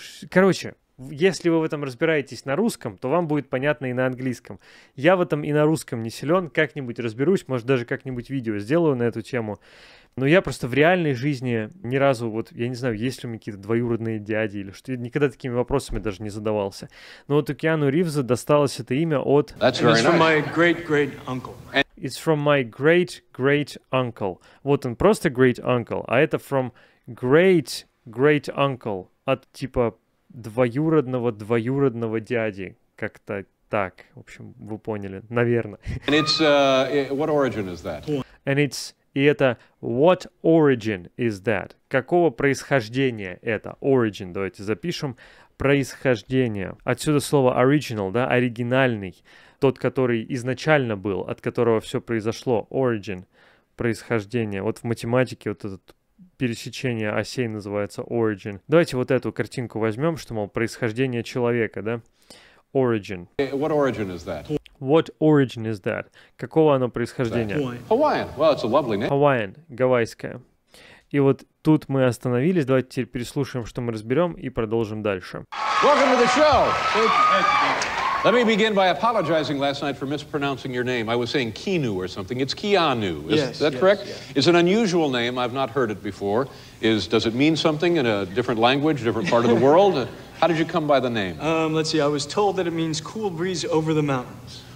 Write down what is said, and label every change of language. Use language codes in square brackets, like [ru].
[ru] Короче, если вы в этом разбираетесь на русском, то вам будет понятно и на английском. Я в этом и на русском не силен, как-нибудь разберусь, может, даже как-нибудь видео сделаю на эту тему. Но я просто в реальной жизни ни разу, вот, я не знаю, есть ли у меня какие-то двоюродные дяди или что, я никогда такими вопросами даже не задавался. Но вот у Киану Ривза досталось это имя от... [en] It's from my great-great uncle. It's from my great-great uncle. [ru] Вот он просто great uncle, а это from great-great uncle, от типа... двоюродного дяди. Как-то так. В общем, вы поняли. Наверное. [en] And it's, what origin is that? And it's, [ru] и это [en] what origin is that? [ru] Какого происхождения это? Origin. Давайте запишем. Происхождение. Отсюда слово original, да? Оригинальный. Тот, который изначально был, от которого все произошло. Origin. Происхождение. Вот в математике вот этот пересечение осей называется origin. Давайте вот эту картинку возьмем, что, мол, происхождение человека, да? [en] Origin. What origin is that? What origin is that? [ru] Какого оно происхождения? [en] Hawaiian. Well, it's a lovely name. [ru] Hawaiian. Гавайская. И вот тут мы остановились. Давайте теперь переслушаем, что мы разберем, и продолжим дальше. [en] Welcome to the show. Let me begin by apologizing last night for mispronouncing your name. I was saying Keanu or something. It's Keanu. Is that correct? Yes. It's an unusual name. I've not heard it before. Does it mean something in a different language, different part of the world? How did you come by the name? Let's see. I was told that it means cool breeze over the mountains.